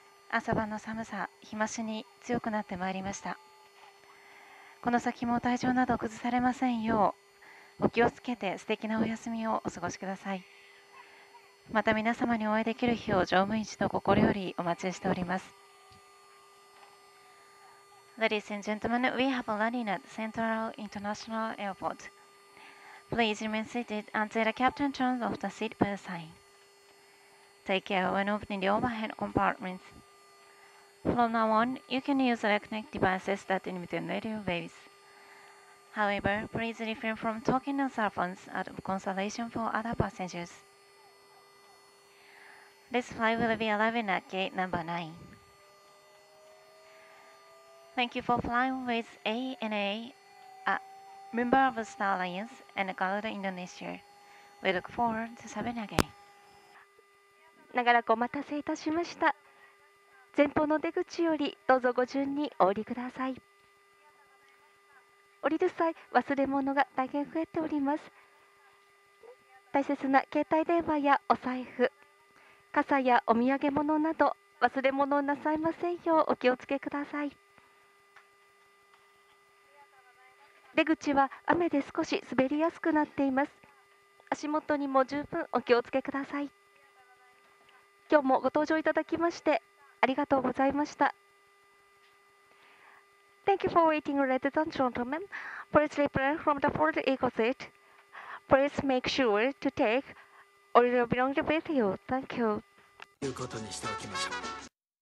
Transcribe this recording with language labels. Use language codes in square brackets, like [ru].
[ja] 朝晩の寒さ、日増しに強くなってまいりました。この先も体調など崩されませんよう、お気をつけて素敵なお休みをお過ごしください。また皆様にお会いできる日を乗務員一同心よりお待ちしております。 [en] Ladies and gentlemen, we have landed at Central International Airport. Please remain seated until the captain turns off the seat belt sign. Take care when opening the overhead compartments. From now on, you can use electronic devices that emit radio waves. However, please refrain from talking on cell phones out of consideration for other passengers. This flight will be arriving at gate number 9. Thank you for flying with ANA. Member of Star Alliance and Garuda Indonesia. We look forward to serving again. [ja] 長らくお待たせいたしました。前方の出口よりどうぞご順にお降りください。降りる際、忘れ物が大変増えております。大切な携帯電話やお財布、傘やお土産物など忘れ物をなさいませんようお気をつけください。出口は雨で少し滑りやすくなっています。足元にも十分お気をつけください。今日もご搭乗いただきましてありがとうございました。 [en] Thank you for waiting, ladies and gentlemen. Please refrain from the fourth ego seat. Please make sure to take all your belongings with you. Thank you. [ja] ということにしておきましょう。